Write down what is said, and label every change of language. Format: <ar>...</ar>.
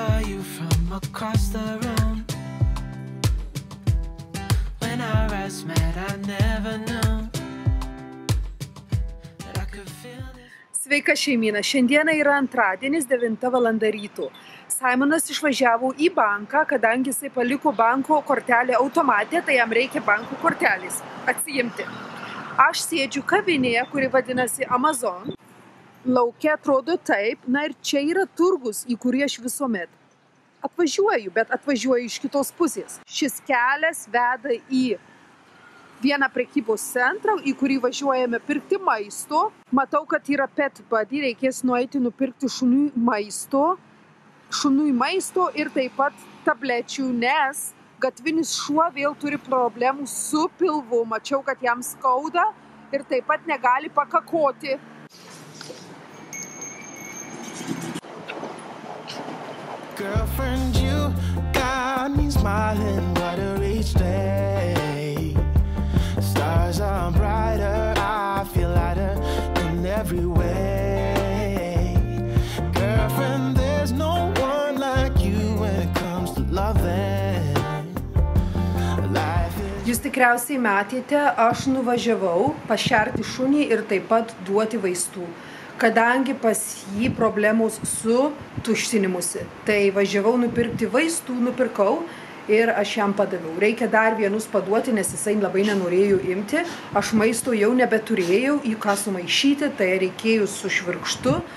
<en>you from across the room. When our eyes met, I never knew that I could feel this.</en> <lt>Sveika šeimyna, šiandiena yra antradienis, 9 valanda ryto. Simonas išvažiavo į banką, kadangi jisai paliko banko kortelę automatė, tai jam reikia banko kortelės atsiimti. Aš sėdžiu kavinėje, kuri vadinasi Amazon. Laukia atrodo taip, na ir čia yra turgus, į kurį aš visuomet atvažiuoju, bet atvažiuoju iš kitos pusės. Šis kelias veda į vieną prekybos centrą, į kurį važiuojame pirkti maisto. Matau, kad yra Pet Buddy, reikės nueiti nupirkti šunui maisto ir taip pat tablečių, nes gatvinis šuo vėl turi problemų su pilvu. Mačiau, kad jam skauda ir taip pat negali pakakoti.</lt> <en>Girlfriend, you got me smiling, what a rich day. Stars are brighter, I feel lighter in every way. Girlfriend, there's no one like you when it comes to loving. Life is...</en> <lt>Jūs tikriausiai matėte, aš nuvažiavau pašerti šunį ir taip pat duoti vaistų. Kadangi pas jį problemos su tuštinimusi, tai važiavau nupirkti vaistų, nupirkau ir aš jam padaviau. Reikia dar vienus paduoti, nes jisai labai nenorėjo imti. Aš maisto jau nebeturėjau, į ką sumaišyti, tai reikėjo su švirkštu.</lt>